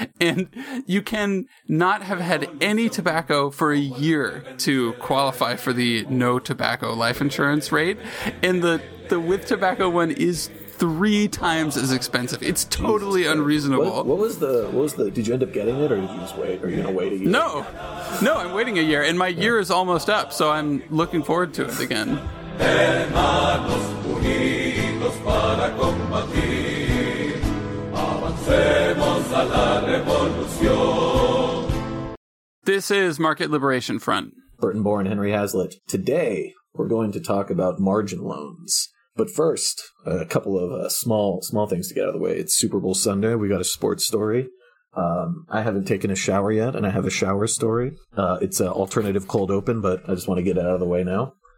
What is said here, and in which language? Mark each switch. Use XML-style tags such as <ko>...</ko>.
<en>And you can not have had any tobacco for a year to qualify for the no tobacco life insurance rate. And the with tobacco one is 3 times as expensive. It's totally unreasonable. What was the did you end up getting it, or did you just wait? Are you gonna wait a year? No, I'm waiting a year, and my year is almost up, so I'm looking forward to it again.</en> <es>Hermanos unidos para combatir, avancemos a la revolución.</es> <en>This is Market Liberation Front. Burton Bourne, Henry Hazlitt. Today we're going to talk about margin loans. But first, a couple of small things to get out of the way. It's Super Bowl Sunday. We got a sports story. I haven't taken a shower yet, and I have a shower story. It's an alternative cold open, but I just want to get it out of the way now.</en>